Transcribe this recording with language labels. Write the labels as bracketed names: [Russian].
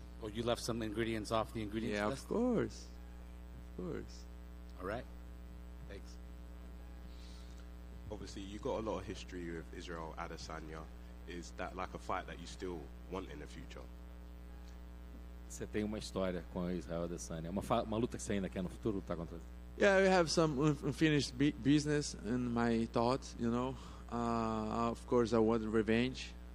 [English] Oh, you left some ingredients off the ingredients list? Yeah, of course. Of course. All right. Thanks. Obviously, you got a lot of history with Israel Adesanya. Is that like a fight that you still want in the future? [Portuguese] Você tem uma história com Israel Adesanya. É uma luta que você ainda quer no futuro lutar contra ele? [English] Yeah, we have some unfinished business in my thoughts, you know. Of course, I want revenge.